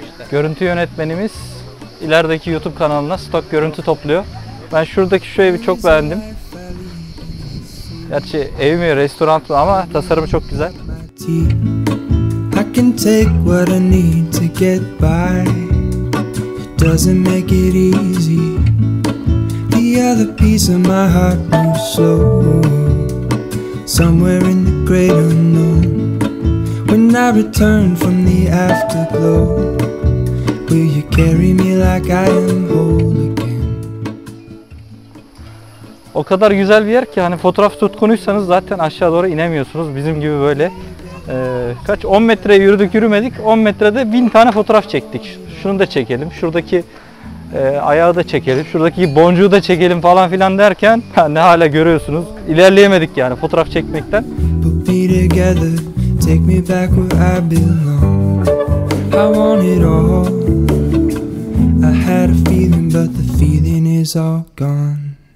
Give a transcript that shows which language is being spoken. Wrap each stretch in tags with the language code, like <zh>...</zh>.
<tr>Görüntü yönetmenimiz ilerideki YouTube kanalına stok görüntü topluyor. Ben şuradaki şu evi çok beğendim. Gerçi ev mi, restoran mı ama tasarımı çok güzel.</tr> <en>I can take what I need to get by. It doesn't make it easy. The other piece of my heart moves so somewhere in the great unknown. When I return from the afterglow. Will you carry me like I am whole again?</en> <tr>O kadar güzel bir yer ki hani fotoğraf tutkunuysanız zaten aşağı doğru inemiyorsunuz bizim gibi böyle. Kaç 10 metre yürüdük yürümedik, 10 metrede 1000 tane fotoğraf çektik. Şunu da çekelim, şuradaki ayağı da çekelim, şuradaki boncuğu da çekelim falan filan derken ne hala görüyorsunuz. İlerleyemedik yani fotoğraf çekmekten.</tr> <en>Put me together, take me back where I belong. I want it all. I had a feeling, but the feeling is all gone.</en>